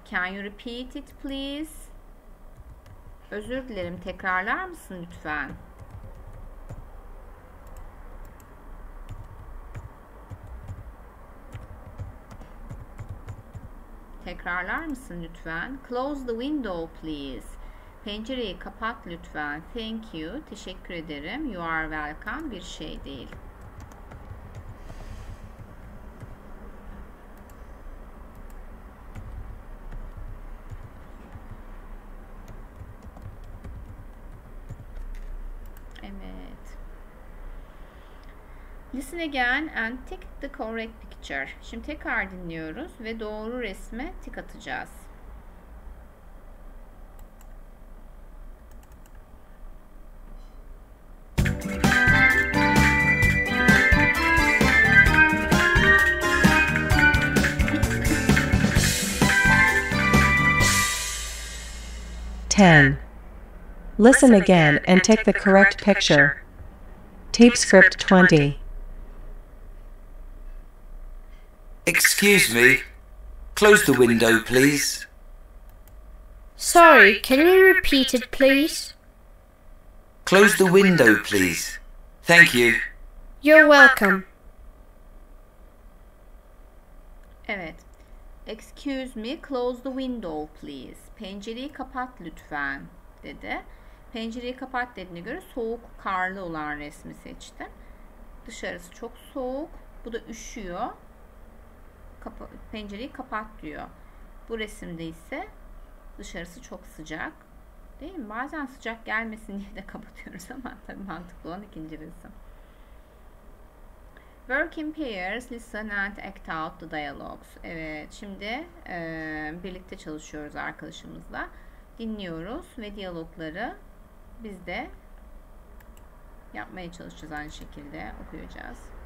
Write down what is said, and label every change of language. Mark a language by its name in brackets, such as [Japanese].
[English] Can you repeat it please? [Turkish] Özür dilerim. Tekrarlar mısın lütfen? Tekrarlar mısın lütfen? [English] Close the window please. [Turkish] Pencereyi kapat lütfen. [English] Thank you. [Turkish] Teşekkür ederim. [English] You are welcome. [Turkish] Bir şey değil. Evet. [English] Listen again and tick the correct picture. [Turkish] Şimdi tekrar dinliyoruz ve doğru resme tik atacağız. [English] Ten. Listen again and take the correct picture. Tape script 20. Excuse me. Close the window, please. Sorry, can you repeat it, please? Close the window, please. Thank you. You're welcome. [Turkish] Evet. [English] Excuse me, close the window, please. [Turkish] Pencereyi kapat lütfen, dedi. Pencereyi kapat dediğine göre soğuk, karlı olan resmi seçti. Dışarısı çok soğuk. Bu da üşüyor. Pencereyi kapat diyor. Bu resimde ise dışarısı çok sıcak. Değil mi? Bazen sıcak gelmesin diye de kapatıyoruz ama tabii mantıklı olan ikinci resim. [English] Work in pairs, listen and act out the dialogues. [Turkish] Evet, şimdi birlikte çalışıyoruz arkadaşımızla. Dinliyoruz ve diyalogları biz de yapmaya çalışacağız aynı şekilde. Okuyacağız.